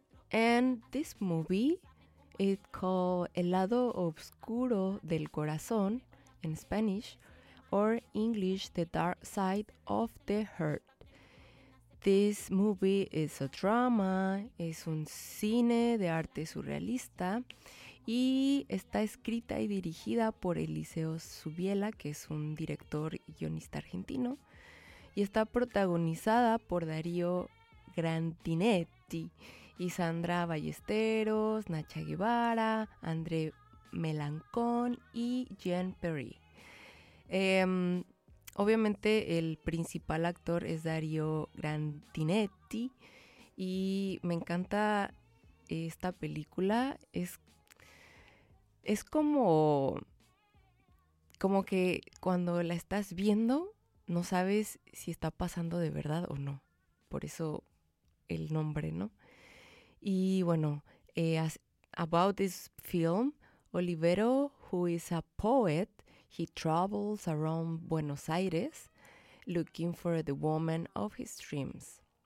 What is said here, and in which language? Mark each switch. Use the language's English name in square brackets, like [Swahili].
[English] And this movie, it's called El Lado Oscuro del Corazón in Spanish, or English, The Dark Side of the Heart. This movie is a drama, [Spanish] es un cine de arte surrealista, y está escrita y dirigida por Eliseo Subiela, que es un director y guionista argentino, y está protagonizada por Darío Grandinetti y Sandra Ballesteros, Nacha Guevara, André Melancón y Jean Perry. Obviamente el principal actor es Darío Grandinetti, y me encanta esta película. Es como que cuando la estás viendo no sabes si está pasando de verdad o no, por eso el nombre, ¿no? Y bueno, [English] about this film, Olivero, who is a poet, he travels around Buenos Aires looking for the woman of his dreams.